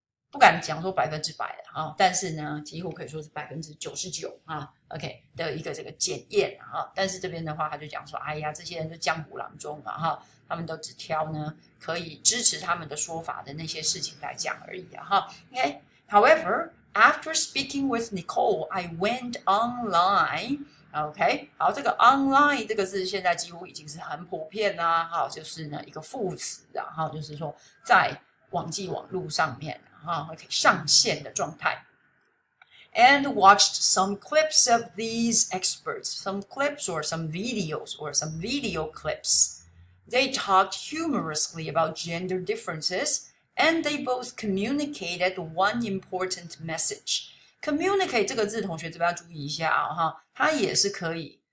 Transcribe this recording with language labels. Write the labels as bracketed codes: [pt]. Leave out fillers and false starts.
[zh] 不敢讲说百分之百的啊，但是呢，几乎可以说是99%啊，OK 的一个这个检验啊。但是这边的话，他就讲说，哎呀，这些人就江湖郎中嘛哈，他们都只挑呢可以支持他们的说法的那些事情来讲而已啊哈。 [en] OK，However，after speaking with Nicole，I went online。 [zh] OK，好，这个 online 这个字现在几乎已经是很普遍啦，哈，就是呢一个副词啊，哈，就是说在网际网路上面。 [en] 啊，OK， [zh] 上线的状态， [en] and watched some clips of these experts, some clips or some videos or some video clips. They talked humorously about gender differences, and they both communicated one important message. Communicate [zh] 这个字，同学这边要注意一下啊，哈，它也是可以